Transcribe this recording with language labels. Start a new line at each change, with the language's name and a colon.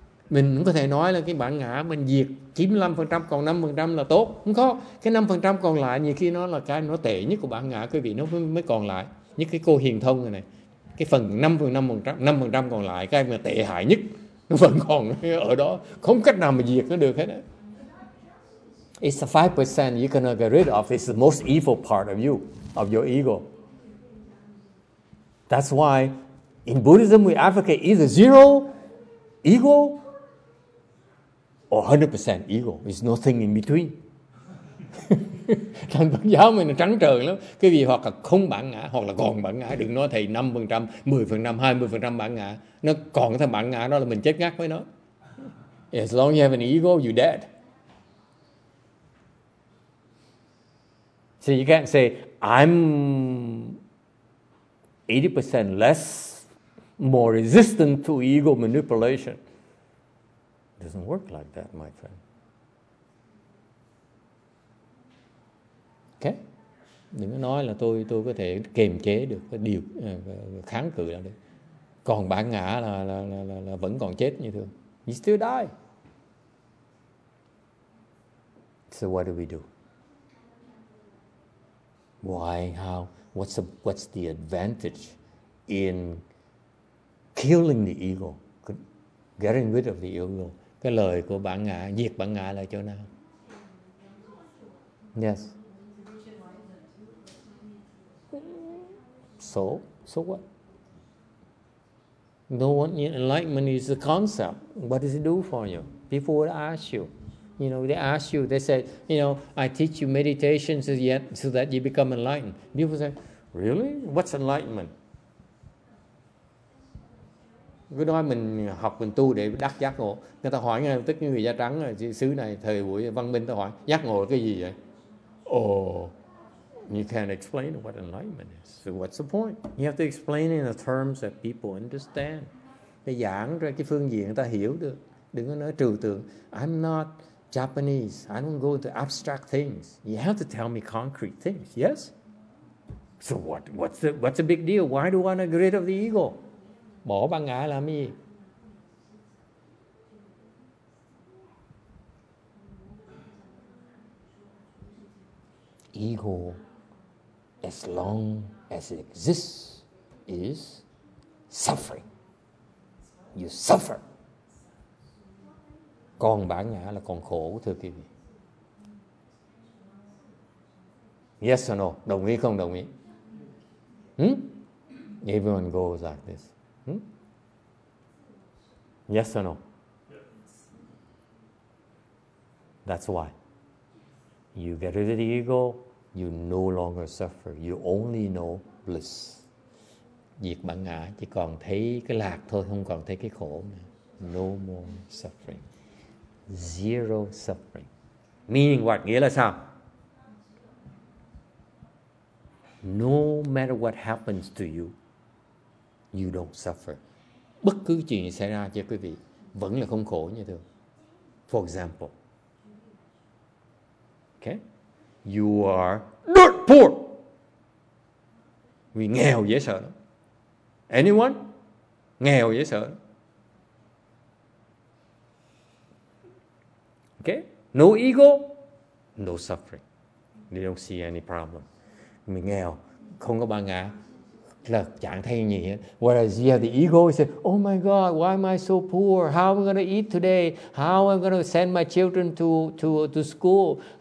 Vietnamese: Mình cũng có thể nói là cái bản ngã mình diệt 95%, còn 5% là tốt. Không có, cái 5% còn lại nhiều khi nó là cái nó tệ nhất của bản ngã, quý vị, nó mới còn lại. Như cái cô Hiền Thông này này. Cái phần 5% còn lại, cái mà tệ hại nhất, nó vẫn còn ở đó. Không cách nào mà diệt nó được hết á.
English: It's the 5% you cannot get rid of. It's the most evil part of you, of your ego. That's why in Buddhism we advocate either zero ego or 100% ego. There's nothing in between.
Vietnamese: Thành Phật giáo mình trắng trợn lắm. Cái gì hoặc là không bản ngã, hoặc là còn bản ngã. Đừng nói thầy 5%, 10%, 20% bản ngã. Nó còn thằng bản ngã đó là mình chết ngắt với nó.
English: As long as you have an ego, you're dead. So you can't say, I'm 80% less, more resistant to ego manipulation. It doesn't work like that, my friend. Okay?
Vietnamese: Đừng có nói là tôi có thể kiềm chế được, điều kháng cự là được. Còn bản ngã là vẫn còn chết như thường.
English: You still die. So what do we do? Why? How? What's the advantage in killing the ego, getting rid of the ego?
Vietnamese: Cái lời của bản ngã, diệt bản ngã là chỗ nào?
English: Yes. So what? No one, enlightenment is a concept. What does it do for you? People would ask you. You know, they ask you, they say, you know, I teach you meditation so that you become enlightened. People say, really? What's enlightenment?
Vietnamese: Cứ nói mình học, mình tu để đắc giác ngộ. Người ta hỏi ngay, tức người da trắng, xứ này, thời buổi văn minh, ta hỏi, giác ngộ là cái gì vậy?
English: Oh, you can't explain what enlightenment is. So what's the point? You have to explain in the terms that people understand.
Vietnamese: Cái giảng ra cái phương diện người ta hiểu được. Đừng có nói trừu tượng.
English: I'm not Japanese, I don't go to abstract things. You have to tell me concrete things, yes? So what's the big deal? Why do I want to get rid of the ego?
Vietnamese: Bỏ bản ngã làm gì?
English: Ego, as long as it exists, is suffering. You suffer.
Vietnamese: Còn bản ngã là còn khổ, thưa quý vị.
English: Yes or no?
Vietnamese: Đồng ý không đồng ý?
English: Hmm? Everyone goes like this. Hmm? Yes or no? That's why. You get rid of the ego, you no longer suffer. You only know bliss.
Vietnamese: Diệt bản ngã, chỉ còn thấy cái lạc thôi, không còn thấy cái khổ nữa.
English: No more suffering. Zero suffering. Meaning what?
Vietnamese: Nghĩa là sao?
English: No matter what happens to you, you don't suffer.
Vietnamese: Bất cứ chuyện gì xảy ra cho quý vị, vẫn là không khổ như thường.
English: For example, okay? You are dirt poor.
Vietnamese: Vì nghèo dễ sợ lắm.
English: Anyone?
Vietnamese: Nghèo dễ sợ lắm.
English: Okay? No ego, no suffering. They don't see any problem.
Vietnamese: Mình nghèo, không có ba ngã, là chẳng thấy gì hết.
English: Whereas you have the ego, you say, oh my God, why am I so poor? How am I going to eat today? How am I going to send my children to school?